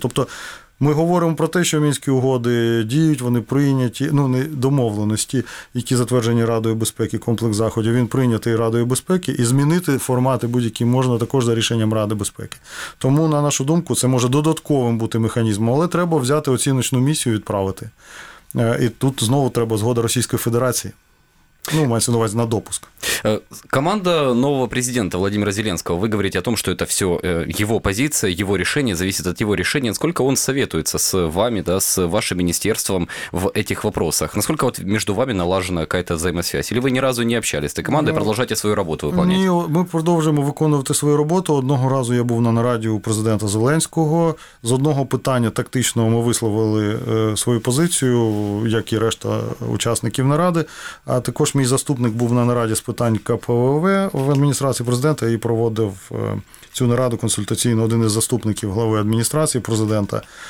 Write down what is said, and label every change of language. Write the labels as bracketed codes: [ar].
[uk] Тобто, ми говоримо про те, що Мінські угоди діють, вони прийняті, ну, не домовленості, які затверджені Радою безпеки, комплекс заходів, він прийнятий Радою безпеки, і змінити формати будь-які можна також за рішенням Ради безпеки. Тому, на нашу думку, це може додатковим бути механізмом, але треба взяти оціночну місію і відправити. І тут знову треба згода Російської Федерації. Ну, мається на увазі на допуск. [ru] Команда нового президента Владимира Зеленского, вы говорите о том, что это все его позиция, его решение, зависит от его решения. Насколько он советуется с вами, да, с вашим министерством в этих вопросах? Насколько вот между вами налажена какая-то взаимосвязь? Или вы ни разу не общались с этой командой, продолжаете свою работу выполнять? [uk] Ні, ми продовжуємо виконувати свою роботу. Одного разу я був на нараді у президента Зеленського. З одного питання тактичного ми висловили свою позицію, як і решта учасників наради. А також мій заступник був на нараді з питань КПВВ в адміністрації президента і проводив цю нараду консультаційну один із заступників глави адміністрації президента.